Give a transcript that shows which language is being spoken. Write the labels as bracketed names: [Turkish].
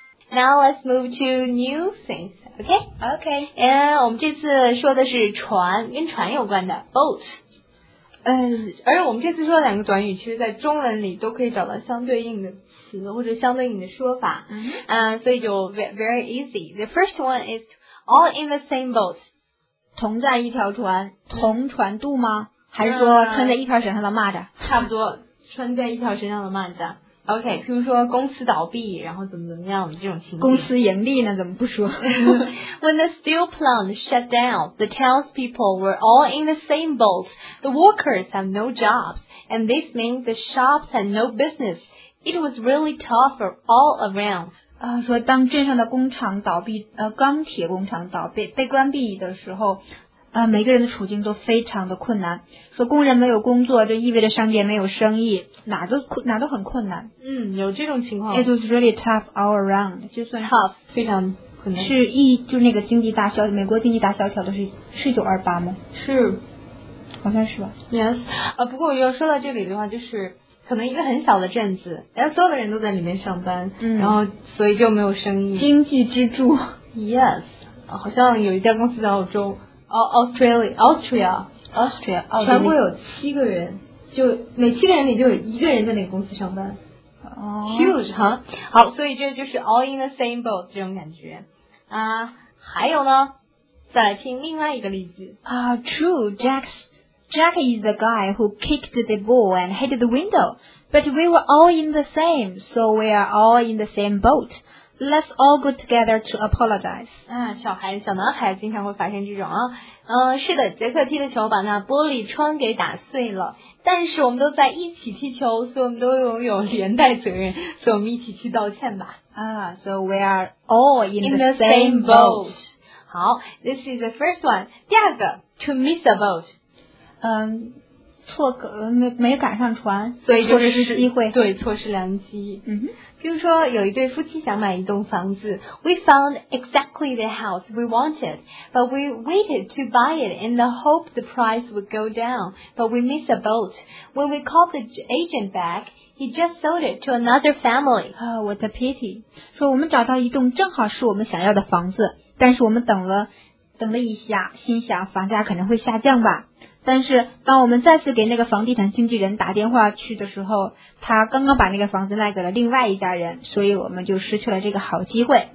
[English] 。Now let's move to new things. Okay. Okay. [Chinese] And 我们这次说的是船，跟船有关的 boat。而我们这次说的两个短语，其实在中文里都可以找到相对应的词或者相对应的说法。所以就 [English] very easy. The first one is all in the same boat. [Chinese] 同在一条船，同船渡吗？还是说穿在一条绳上的蚂蚱？差不多，穿在一条绳上的蚂蚱。OK， 譬如说公司倒闭，然后怎么样这种情况。公司盈利呢，怎么不说 [English] ？When the steel plant shut down, the townspeople were all in the same boat. The workers have no jobs, and this means the shops had no business. It was really tough for all around. [Chinese] 说当镇上的工厂倒闭，钢铁工厂倒闭被关闭的时候，每个人的处境都非常的困难。说工人没有工作，就意味着商店没有生意，哪都很困难。有这种情况。 [English] It was really tough all around. [Chinese] 就算 tough 非常困难。是一就是那个经济大萧，美国经济大萧条都是1928吗？是，好像是吧。 [English] Yes. [Chinese] 不过要说到这里的话，就是可能一个很小的镇子，然后所有的人都在里面上班，然后所以就没有生意。经济支柱。 [English] Yes. [Chinese] 好像有一家公司在澳洲。 Australia 全国有7个人，就每7个人里就有1个人在那个公司上班。 Huge 哈、huh? ，好，所以这就是 [English] all in the same boat [Chinese] 这种感觉啊。还有呢，再来听另外一个例子啊。 [English] True, Jack is the guy who kicked the ball and hit the window, but we were all in the same, so we are all in the same boat. Let's all go together to apologize. [Chinese] 小男孩经常会发生这种啊。是的，杰克踢的球把那玻璃窗给打碎了。但是我们都在一起踢球，所以我们都拥有连带责任，所以我们一起去道歉吧。 [English] So we are all in the same boat. 好 ，this is the first one. [Chinese] 第二个 [English] ，to miss a boat. [Chinese] 错个没赶上船，所以就是错失机会，对，错失良机。嗯哼，比如说有一对夫妻想买一栋房子 [English] ，We found exactly the house we wanted, but we waited to buy it in the hope the price would go down. But we missed a boat. When we called the agent back, he just sold it to another family. Oh, what a pity! [Chinese] 说我们找到一栋正好是我们想要的房子，但是我们等了一下，心想房价可能会下降吧。但是当我们再次给那个房地产经纪人打电话去的时候，他刚刚把那个房子卖给了另外一家人，所以我们就失去了这个好机会。